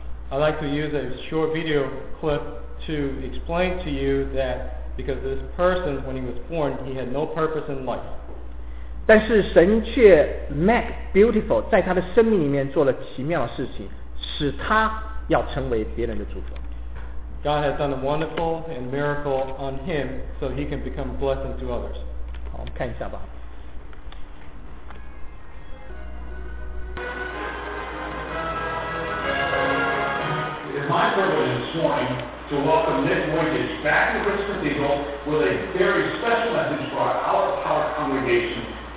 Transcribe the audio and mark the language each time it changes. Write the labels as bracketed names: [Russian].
[English] I'd like to use a short video clip to explain to you that because this person, when he was born, he had no purpose in life. [Chinese] 但是神却 [English] make beautiful [Chinese] 在他的生命里面做了奇妙的事情，使他要成为别人的祝福。 [English] God has done a wonderful and miracle on him, so he can become a blessing to others. [Chinese] 好，我们看一下吧。 [English] It's my privilege this morning to welcome Nick Wojcic back to Bristol Cathedral with a very special message for our power congregation.